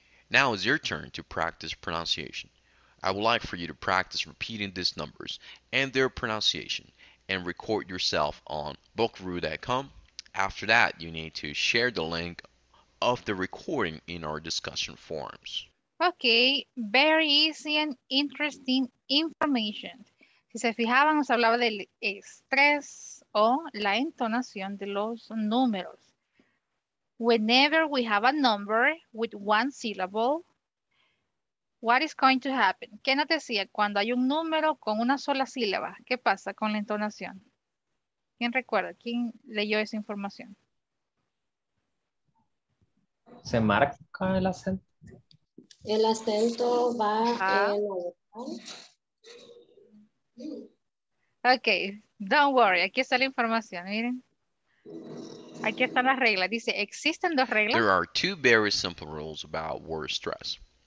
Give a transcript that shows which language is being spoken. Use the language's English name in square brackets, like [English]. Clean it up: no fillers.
[English] Now is your turn to practice pronunciation. I would like for you to practice repeating these numbers and their pronunciation and record yourself on bookroo.com. After that, you need to share the link of the recording in our discussion forums. Okay, very easy and interesting information. [Spanish] Si se fijaban, nos hablaba del estrés o la entonación de los números. [English] Whenever we have a number with one syllable, what is going to happen? [Spanish] ¿Qué nos decía? Cuando hay un número con una sola sílaba, ¿qué pasa con la entonación? ¿Quién recuerda? ¿Quién leyó esa información? ¿Se marca el acento? El acento va en la boca. Ok, [English] don't worry, [Spanish] aquí está la información, miren. Aquí están las reglas, dice, existen dos reglas. [English] There are two very simple rules about word stress.